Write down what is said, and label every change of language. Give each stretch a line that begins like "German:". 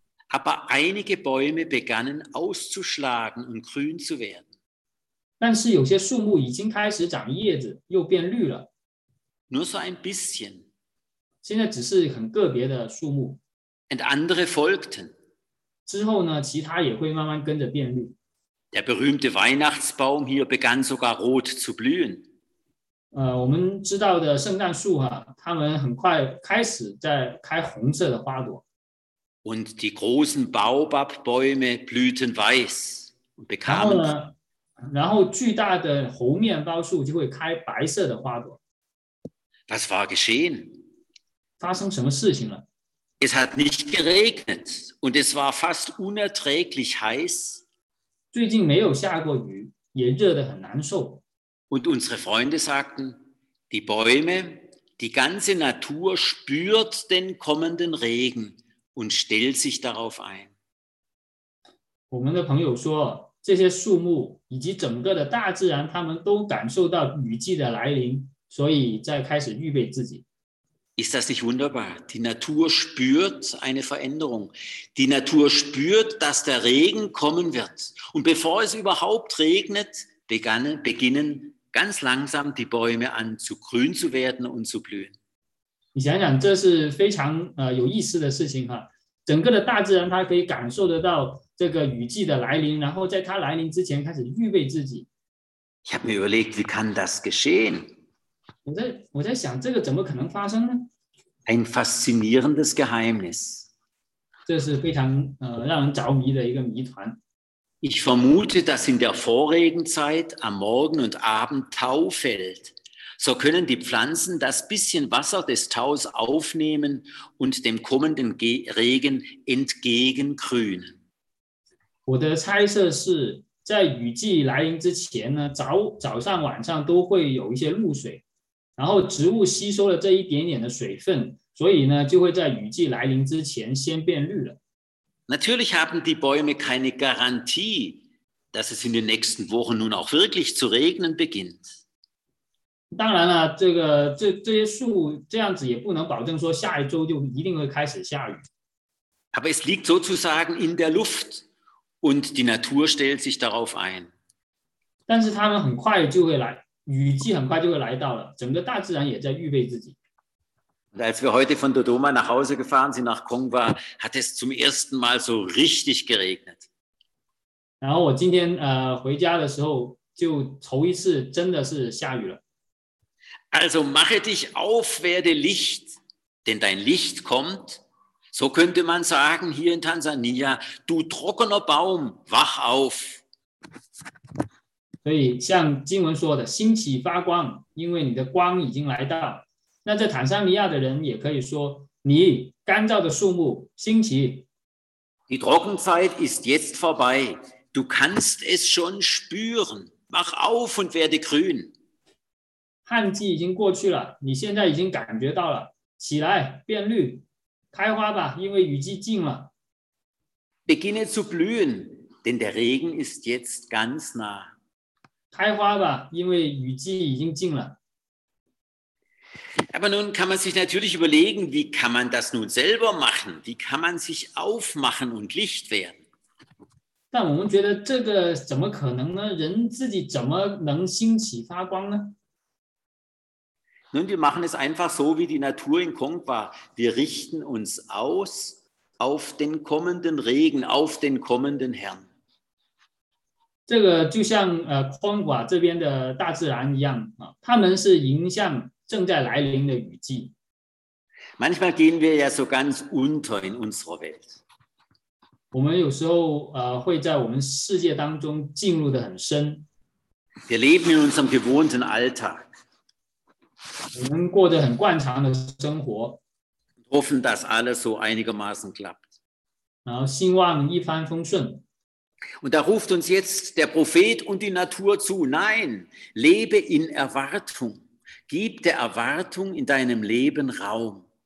German: Aber einige Bäume begannen auszuschlagen und grün zu werden.
Chinese: 但是有些树木已经开始长叶子，又变绿了。
German: Nur so ein bisschen.
Chinese: 现在只是很个别的树木。
German: And andere folgten.
Chinese: 之后呢，其他也会慢慢跟着变绿。
German: Der berühmte Weihnachtsbaum hier begann sogar rot zu blühen.
Chinese: 我们知道的圣诞树啊，他们很快开始在开红色的花朵。
German: Und die großen Baobab-Bäume blühten weiß und bekamen.
Chinese: 然后巨大的猴面包树就会开白色的花朵。
German: Was war geschehen?
Chinese: 发生什么事情了?
German: Es hat nicht geregnet und es war fast unerträglich heiß.
Chinese: 最近没有下过雨，也热得很难受。
German: Und unsere Freunde sagten, die Bäume, die ganze Natur spürt den kommenden Regen und stellt sich darauf ein.
Chinese: 我们的朋友说，这些树木以及整个的大自然，他们都感受到雨季的来临。所以在开始预备自己。
German: Ist das nicht wunderbar? Die Natur spürt eine Veränderung. Die Natur spürt, dass der Regen kommen wird. Und bevor es überhaupt regnet, beginnen ganz langsam die Bäume an zu grün zu werden und zu blühen.
Chinese: 你想想，这是非常有意思的事情哈。整个的大自然它可以感受得到这个雨季的来临，然后在它来临之前开始预备自己。
German: Ich habe mir überlegt, wie kann das geschehen?
Chinese: 我在想，这个怎么可能发生呢？
German: Ein faszinierendes Geheimnis.
Chinese: 这是非常让人着迷的一个谜团。
German: Ich vermute, dass in der Vorregenzeit am Morgen und Abend Tau fällt. So können die Pflanzen das bisschen Wasser des Taus aufnehmen und dem kommenden Regen entgegengrünen.
Chinese: 我的猜测是，在雨季来临之前呢，早上晚上都会有一些露水。然后植物吸收了这一点点的水分，所以呢，就会在雨季来临之前先变绿了。
German: Natürlich haben die Bäume keine Garantie, dass es in den nächsten Wochen nun auch wirklich zu regnen beginnt.
Chinese: 当然了，这个这些树这样子也不能保证说下一周就一定会开始下雨。
German: Aber es liegt sozusagen in der Luft und die Natur stellt sich darauf ein.
Chinese: 但是他们很快就会来，雨季很快就会来到了，整个大自然也在预备自己。
German: Und als wir heute von Dodoma nach Hause gefahren sind nach Kongwa, hat es zum ersten Mal so richtig geregnet.
Chinese: 然后我今天回家的时候就头一次真的是下雨了。
German: Also mache dich auf, werde Licht, denn dein Licht kommt. So könnte man sagen hier in Tansania, du trockener Baum, wach auf.
Chinese: 所以像经文说的，兴起发光，因为你的光已经来到。那在坦桑尼亚的人也可以说，你干燥的树木，兴起。
German: Die Trockenzeit ist jetzt vorbei, du kannst es schon spüren, wach auf und werde grün.
Chinese: 旱季已经过去了，你现在已经感觉到了，起来变绿，开花吧，因为雨季近了。
German: Beginne zu blühen, denn der Regen ist jetzt ganz nah.
Chinese: 开花吧，因为雨季已经近了。
German: Aber nun kann man sich natürlich überlegen, wie kann man das nun selber machen? Wie kann man sich aufmachen und Licht werden?
Chinese: 但我们觉得这个怎么可能呢？人自己怎么能兴起发光呢？
German: Nun, wir machen es einfach so wie die Natur in Kongwa. Wir richten uns aus auf den kommenden Regen, auf den kommenden Herrn.
Chinese: 这个就像Kongwa这边的大自然一样，他们是迎向正在来临的雨季。
German: Manchmal gehen wir ja so ganz unter in unserer Welt.
Chinese: 我们有时候会在我们世界当中进入得很深。
German: Wir leben in unserem gewohnten Alltag.
Chinese: 我们过着很惯常的生活
German: hoffen, dass alles so einigermaßen klappt.
Chinese: 然后希望一帆风顺
German: Und da ruft uns jetzt der Prophet und die Natur zu, nein, lebe in Erwartung, gib der Erwartung in deinem Leben Raum.